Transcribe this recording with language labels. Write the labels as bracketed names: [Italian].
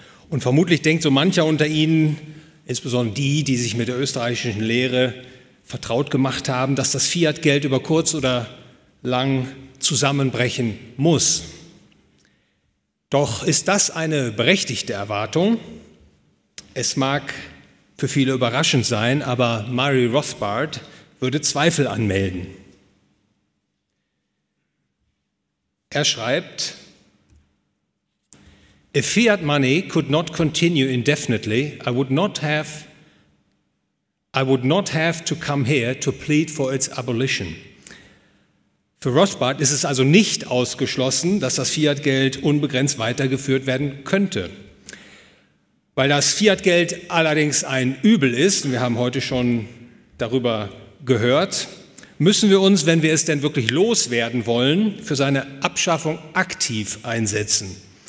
[German] Und vermutlich denkt so mancher unter Ihnen, insbesondere die, die sich mit der österreichischen Lehre vertraut gemacht haben, dass das Fiat-Geld über kurz oder lang zusammenbrechen muss. Doch ist das eine berechtigte Erwartung? Es mag für viele überraschend sein, aber Murray Rothbard würde Zweifel anmelden. [English] Er schreibt: If fiat money could not continue indefinitely, I would not have to come here to plead for its abolition. [German] Für Rothbard ist es also nicht ausgeschlossen, dass das Fiat-Geld unbegrenzt weitergeführt werden könnte. Weil das Fiat-Geld allerdings ein Übel ist, und wir haben heute schon darüber gehört, müssen wir uns, wenn wir es denn wirklich loswerden wollen, für seine Abschaffung aktiv einsetzen.